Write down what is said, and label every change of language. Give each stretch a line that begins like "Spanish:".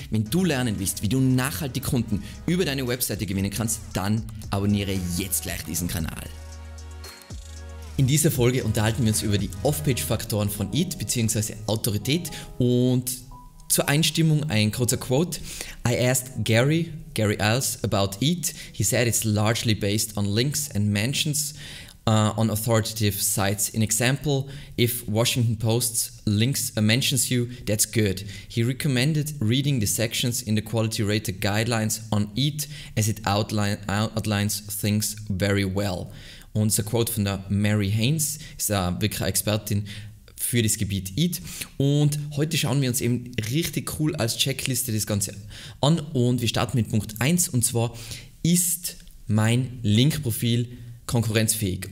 German: Wenn du lernen willst, wie du nachhaltig Kunden über deine Webseite gewinnen kannst, dann abonniere jetzt gleich diesen Kanal. In dieser Folge unterhalten wir uns über die Off-Page-Faktoren von EAT bzw. Autorität und zur Einstimmung ein kurzer Quote.
English: I asked Gary Iles about EAT. He said it's largely based on links and mentions on authoritative sites. In example, if Washington Post links mentions you, that's good. He recommended reading the sections in the quality rater guidelines on EAT as it outlines things very well.
German: Und das ist ein Quote von der Mary Haynes, ist eine wirkliche Expertin für das Gebiet EAT. Und heute schauen wir uns eben richtig cool als Checkliste das Ganze an. Und wir starten mit Punkt 1, und zwar: Ist mein Linkprofil konkurrenzfähig?